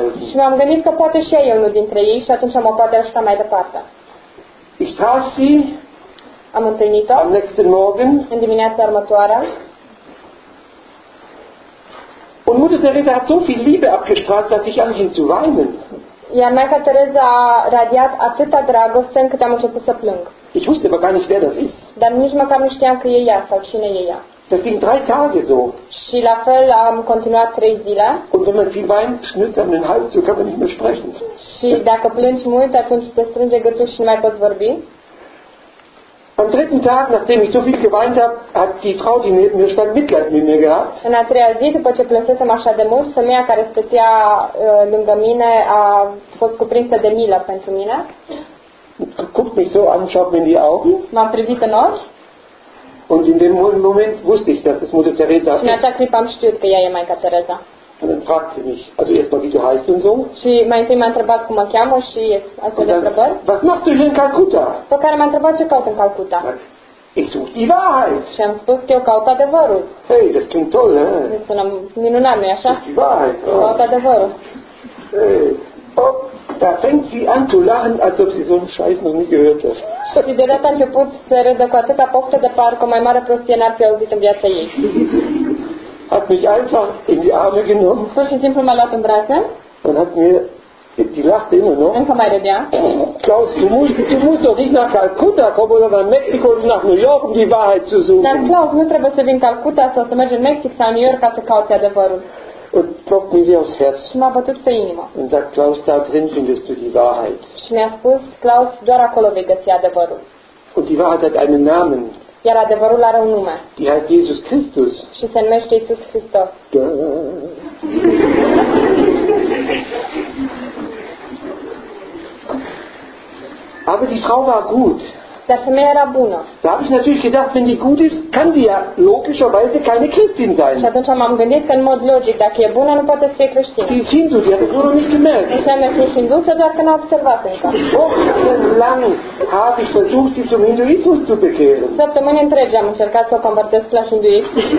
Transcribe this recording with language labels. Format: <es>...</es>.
<ro>Și m-am gândit că poate și ea e unul dintre ei și atunci mă poate ajuta mai departe.</ro> <de>Ich traf sie</de> <ro>am întâlnit-o</ro> <de>am nächsten Morgen,</de> <ro>în dimineața următoare.</ro> <de>Und Mutter Teresa hat so viel Liebe abgestrahlt, dass ich anfing zu weinen.</de> <ro>Iar Maica Tereza a radiat atâta dragoste încât am început să plâng.</ro> <de>Ich wusste aber gar nicht, wer das ist.</de> <ro>Dar nici măcar nu știam că e ea sau cine e ea.</ro> <de>Das ging drei Tage so.</de> <ro>Și la fel am continuat trei zile.</ro> <de>Und wenn man viel weint, schnürt einem den Hals, so kann man nicht mehr sprechen.</de> <ro>Și dacă plângi mult, atunci te strânge gâtul și nu mai poți vorbi.</ro> <de>Am dritten Tag, nachdem ich so viel geweint habe, hat die Frau, die neben mir stand, Mitleid mit mir gehabt.</de> <ro>În a treia zi, după ce plânsesem așa de mult, femeia care stătea lângă mine a fost cuprinsă de milă pentru mine.</ro> <de>Guckt mich so an, schaut mir in die Augen.</de> <ro>M-am privit în ochi.</ro> <de>Und in dem Moment wusste ich, dass es Mutter Teresa ist.</de> <ro>Și în acea clipă am știut că ea e Maica Tereza.</ro> <de>Und dann fragt sie mich, also erstmal, wie du heißt und so.</de> <ro>Și mai întâi m-a întrebat cum mă cheamă și astfel de întrebări.</ro> <de>Was machst du hier in Calcutta?</de> <ro>Pe care m-a întrebat ce caut în Calcutta.</ro> <de>Ich suche die Wahrheit.</de> <ro>Și am spus că eu caut adevărul.</ro> <de>Hey, das klingt toll, hä?</de> <ro>Mi sună minunat, nu-i așa?</ro> <de>Die Wahrheit.</de> <ro>Caut adevărul. Hey, oh.</ro> <de>Da fängt sie an zu lachen, als ob sie so einen Scheiß noch nie gehört hat.</de> <ro>Și de data început să râdă cu atâta poftă de parcă o mai mare prostie n-ar fi auzit în viața ei.</ro> <de>Hat mich einfach in die Arme genommen.</de> <ro>Pur și simplu m-a luat în brațe.</ro> <de>Und hat mir die lachte immer noch.</de> <ro>Încă mai râdea.</ro> <de>Klaus, du musst doch nicht nach Calcutta kommen oder nach Mexiko oder nach New York, um die Wahrheit zu suchen.</de> <ro>Dar Klaus, nu trebuie să vin în Calcutta sau să mergi în Mexic sau New York ca să cauți adevărul.</ro> <de>Und klopft mir aufs Herz.</de> <ro>Și m-a bătut pe inimă.</ro> <de>Und sagt, Klaus, da drin findest du die Wahrheit.</de> <ro>Și mi-a spus, Klaus, doar acolo vei găsi adevărul.</ro> <de>Und die Wahrheit hat einen Namen.</de> <ro>Iar adevărul are un nume.</ro> <de>Die heißt Jesus Christus.</de> <ro>Și se numește Iisus Hristos. Da.</ro> <de>Aber die Frau war gut.</de> <ro>Dar femeia era bună.</ro> <de>Da habe ich natürlich gedacht, wenn die gut ist, kann die ja logischerweise keine Christin sein.</de> <ro>Și atunci m-am gândit că în mod logic, dacă e bună, nu poate să fie creștină.</ro> <de>Die ist Hindu, die hat es nur noch nicht gemerkt.</de> <ro>Înseamnă că e hindusă, doar că n-a observat încă.</ro> <de>Wochenlang habe ich versucht, sie zum Hinduismus zu bekehren.</de> <ro>Săptămâni întregi am încercat să o convertesc la hinduism.</ro>